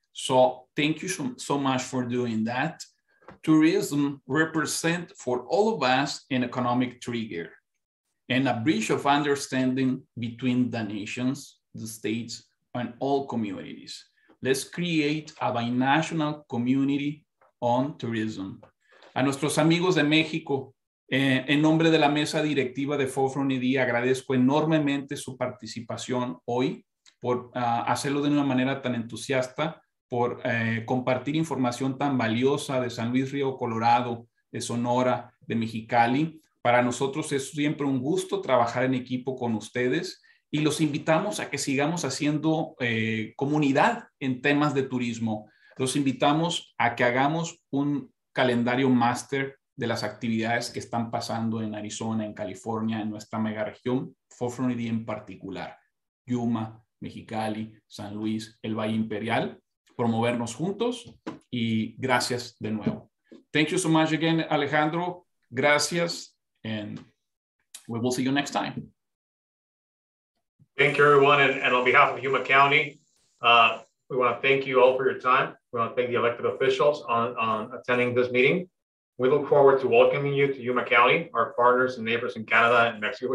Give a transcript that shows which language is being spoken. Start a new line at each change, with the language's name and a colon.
English: So thank you so much for doing that. Tourism represents for all of us an economic trigger. and a bridge of understanding between the nations, the states, and all communities. Let's create a binational community on tourism.
Spanish: A nuestros amigos de México, en nombre de la mesa directiva de Forefront ID, agradezco enormemente su participación hoy por hacerlo de una manera tan entusiasta, por compartir información tan valiosa de San Luis Río Colorado, de Sonora, de Mexicali. Para nosotros es siempre un gusto trabajar en equipo con ustedes y los invitamos a que sigamos haciendo comunidad en temas de turismo. Los invitamos a que hagamos un calendario máster de las actividades que están pasando en Arizona, en California, en nuestra mega región, Forefront ID en particular, Yuma, Mexicali, San Luis, el Valle Imperial, promovernos juntos y gracias de nuevo.
English: Thank you so much again, Alejandro. Gracias and we will see you next time. Thank you everyone, and on behalf of Yuma County, we want to thank you all for your time. We want to thank the elected officials on attending this meeting. We look forward to welcoming you to Yuma County, our partners and neighbors in Canada and Mexico.